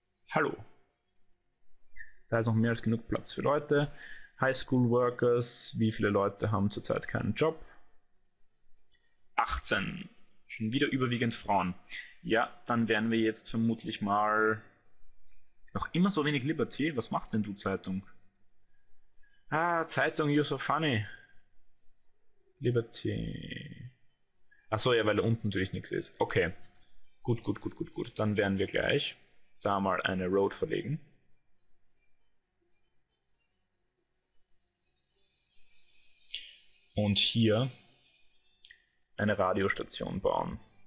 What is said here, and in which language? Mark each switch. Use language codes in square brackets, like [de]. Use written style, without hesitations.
[de] Hallo. Da ist noch mehr als genug Platz für Leute. High School Workers, wie viele Leute haben zurzeit keinen Job? 18. Schon wieder überwiegend Frauen. Ja, dann werden wir jetzt vermutlich mal noch immer so wenig Liberty. Was macht denn du, Zeitung? [en] Ah, Zeitung, you're so funny. [de] Liberty. Achso, ja, weil da unten natürlich nichts ist. Okay. Gut, gut, gut, gut, gut. Dann werden wir gleich da mal eine Road verlegen. Und hier eine Radiostation bauen.